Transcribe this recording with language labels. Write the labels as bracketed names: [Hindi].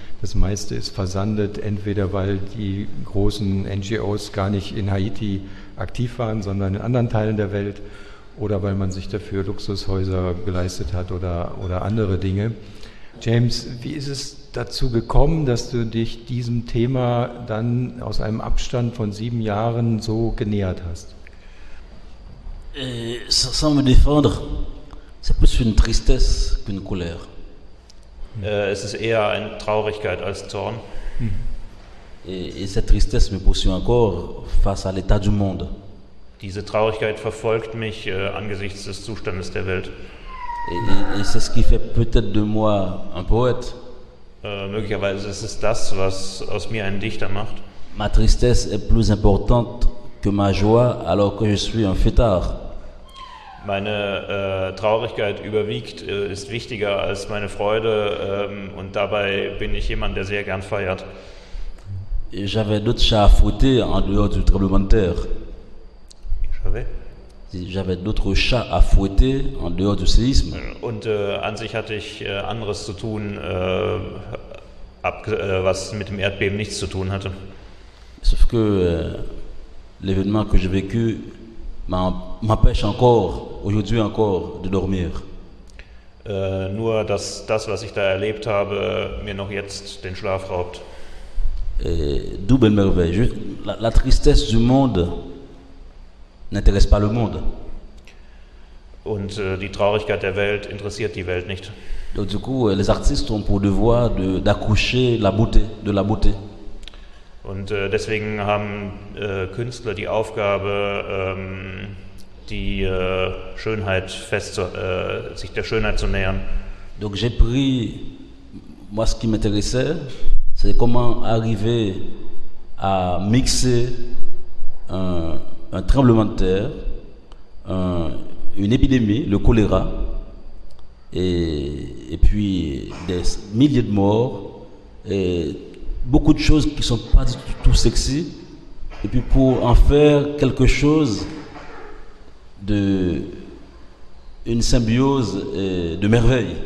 [German] Das meiste ist versandet, entweder weil die großen NGOs gar nicht in Haiti aktiv waren, sondern in anderen Teilen der Welt, oder weil man sich dafür Luxushäuser geleistet hat oder andere Dinge. James, wie ist es dazu gekommen, dass du dich diesem Thema dann aus einem Abstand von 7 Jahren so genähert hast? [French] Sans me défendre, c'est plus une tristesse qu'une colère. [German] Es ist eher eine Traurigkeit als Zorn. [French] Et cette tristesse me poursuit encore face à l'état du monde. [German] Diese Traurigkeit verfolgt mich angesichts des Zustandes der Welt. [French] Et c'est ce qui fait peut-être de moi un poète. [German] Möglicherweise ist es das, was aus mir einen Dichter macht. [French] Ma tristesse est plus importante que ma joie alors que je suis un fêtard. [German] Meine Traurigkeit überwiegt, ist wichtiger als meine Freude und dabei bin ich jemand, der sehr gern feiert. [French] Et j'avais d'autres chats à fouetter en dehors du tremblement de terre. J'avais d'autres chats à fouetter en dehors du séisme. [German] Und an sich hatte ich anderes zu tun, was mit dem Erdbeben nichts zu tun hatte. [French] Sauf que l'événement que j'ai vécu m'empêche encore, aujourd'hui encore, de dormir. [German] Nur dass das, was ich da erlebt habe, mir noch jetzt den Schlaf raubt. [French] Double merveille. La tristesse du monde n'intéresse pas le monde. [German] Und die Traurigkeit der Welt interessiert die Welt nicht. [French] Donc, du coup, les artistes ont pour devoir d'accoucher la beauté, de la beauté. [German] Und deswegen haben Künstler die Aufgabe, sich der Schönheit zu nähern. [French] Donc j'ai pris moi ce qui m'intéressait. C'est comment arriver à mixer un tremblement de terre, une épidémie, le choléra, et puis des milliers de morts, et beaucoup de choses qui ne sont pas du tout sexy, et puis pour en faire quelque chose d'une symbiose et de merveille.